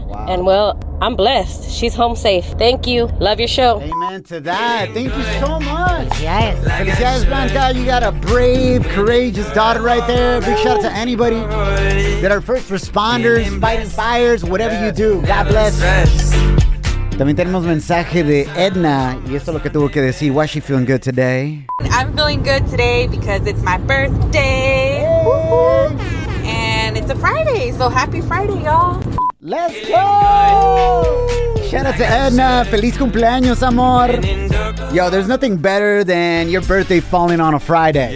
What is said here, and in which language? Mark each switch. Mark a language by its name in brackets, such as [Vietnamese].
[English] Wow. And well, I'm blessed. She's home safe. Thank you. Love your show. Amen to that. Thank you so much. Yes. [Spanish] Felicidades, Blanca. [English] You got a brave, courageous daughter right there. Big shout out to anybody that are first responders, fighting fires, whatever you do. God bless. [Spanish] También tenemos mensaje de Edna, y esto es lo que tuvo que decir. [English] Why is she feeling good today? I'm feeling good today because it's my birthday. And it's a Friday, so happy Friday, y'all. Let's go! Shout out to Edna. [Spanish] Feliz cumpleaños, amor. [English] Yo, there's nothing better than your birthday falling on a Friday.